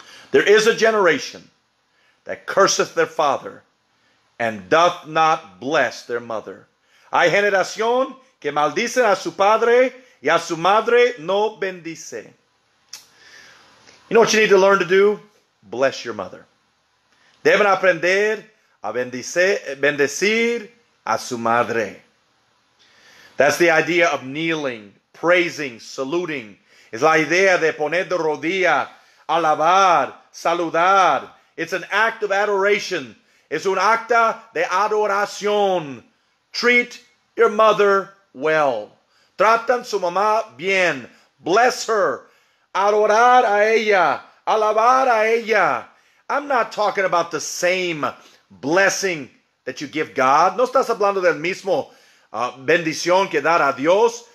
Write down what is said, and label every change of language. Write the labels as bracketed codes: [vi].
[en] There is a generation that curseth their father and doth not bless their mother. [es] Hay generación que maldicen a su padre y a su madre no bendice. [en] You know what you need to learn to do? Bless your mother. [es] Deben aprender a bendecir a su madre. [en] That's the idea of kneeling, praising, saluting. [es] Es la idea de poner de rodilla, alabar, saludar. [en] It's an act of adoration. [es] Es un acta de adoración. [en] Treat your mother well. [es] Tratan su mamá bien. [en] Bless her. [es] Adorar a ella. Alabar a ella. [en] I'm not talking about the same blessing that you give God. [es] No estás hablando del mismo bendición que dar a Dios.